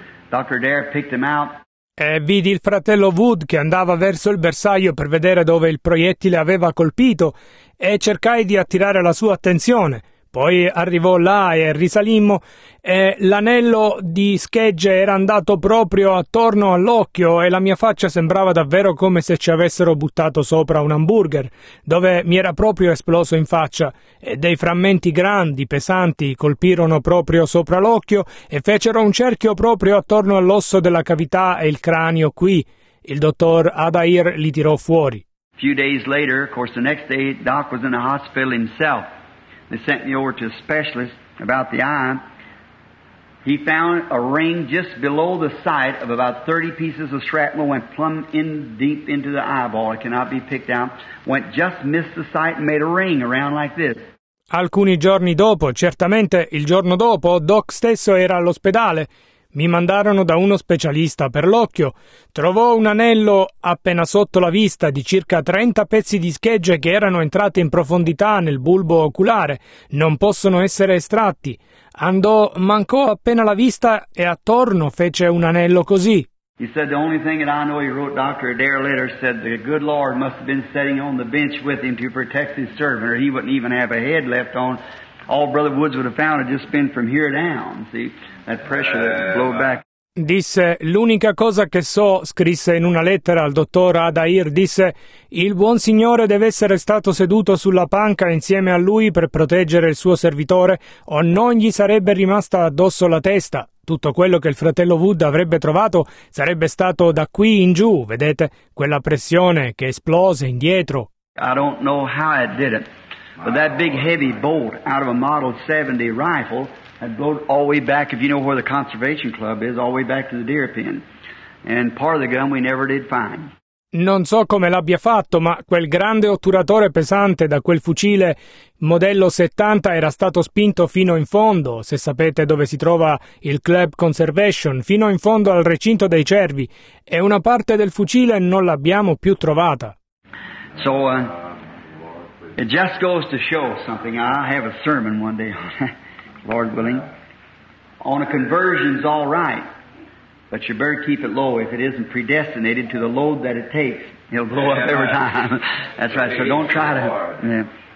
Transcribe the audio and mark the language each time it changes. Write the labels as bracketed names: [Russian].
[English] Dr. Dare picked him out. [Italian] E vidi il fratello Wood che andava verso il bersaglio per vedere dove il proiettile aveva colpito e cercai di attirare la sua attenzione. Poi arrivò là e risalimmo e l'anello di schegge era andato proprio attorno all'occhio e la mia faccia sembrava davvero come se ci avessero buttato sopra un hamburger, dove mi era proprio esploso in faccia e dei frammenti grandi, pesanti, colpirono proprio sopra l'occhio e fecero un cerchio proprio attorno all'osso della cavità e il cranio qui. Il dottor Adair li tirò fuori. [English] A few days later, of course, the next day, Doc was in the hospital himself. They sent me over to a specialist about the eye. He found a ring just below the sight of about 30 pieces of shrapnel went plumb in deep into the eyeball. It cannot be picked out. Went just missed the sight and made a ring around like this. [Italian] Alcuni giorni dopo, certamente il giorno dopo, Doc stesso era all'ospedale. Mi mandarono da uno specialista per l'occhio. Trovò un anello appena sotto la vista di circa 30 pezzi di schegge che erano entrati in profondità nel bulbo oculare. Non possono essere estratti. Andò, mancò appena la vista e attorno fece un anello così. [English] He said the only thing that I know he wrote Dr. Adair later said the good Lord must have been sitting on the bench with him to protect his servant or he wouldn't even have a head left on. All Brother Woods would have found had just been from here down, see? That pressure that blew back. [Italian] Disse, l'unica cosa che so, scrisse in una lettera al dottor Adair, disse, il buon signore deve essere stato seduto sulla panca insieme a lui per proteggere il suo servitore, o non gli sarebbe rimasta addosso la testa. Tutto quello che il fratello Wood avrebbe trovato sarebbe stato da qui in giù, vedete, quella pressione che esplose indietro. [English] I don't know how it did it, but that big heavy bolt out of a Model 70 rifle... I'd blow all the way back, if you know where the conservation club is, all the way back to the deer pen. And part of the gun we never did find. [Italian] Non so come l'abbia fatto, ma quel grande otturatore pesante da quel fucile modello 70 era stato spinto fino in fondo, se sapete dove si trova il Club Conservation, fino in fondo al recinto dei cervi. E una parte del fucile non l'abbiamo più trovata. [English] So, it just goes to show something. I have a sermon one day on that. Lord willing, on a conversion's all right, but you better keep it low if it isn't predestinated to the load that it takes. It'll blow up every time. That's right, so don't try to...